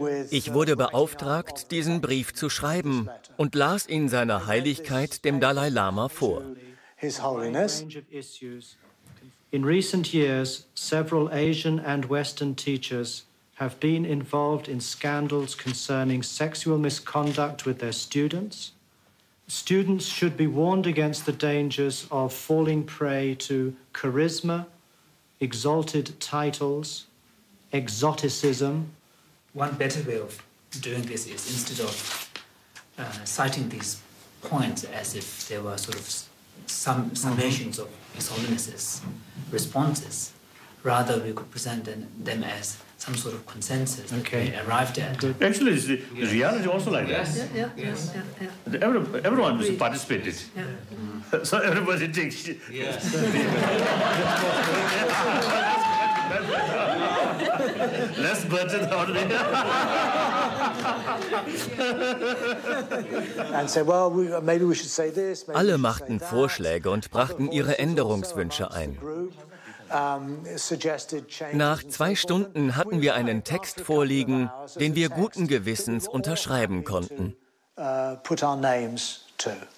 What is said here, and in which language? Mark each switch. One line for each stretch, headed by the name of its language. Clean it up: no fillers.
German: Ich wurde beauftragt, diesen Brief zu schreiben und las ihn seiner Heiligkeit, dem Dalai Lama, vor.
English: His Holiness. In recent years, several Asian and Western teachers have been involved in scandals concerning sexual misconduct with their students. Students should be warned against the dangers of falling prey to charisma, exalted titles, exoticism. One better way of doing this is instead of citing these points as if there were sort of some summations of His Holiness's responses, rather we could present them as some sort of consensus that we arrived at. Actually, the reality also like that. Everyone was participated. So everybody takes. Less budget only. And say, well, maybe we should say this.
German: Alle machten Vorschläge und brachten ihre Änderungswünsche ein. Nach 2 Stunden hatten wir einen Text vorliegen, den wir guten Gewissens unterschreiben konnten.
English: Put our names to.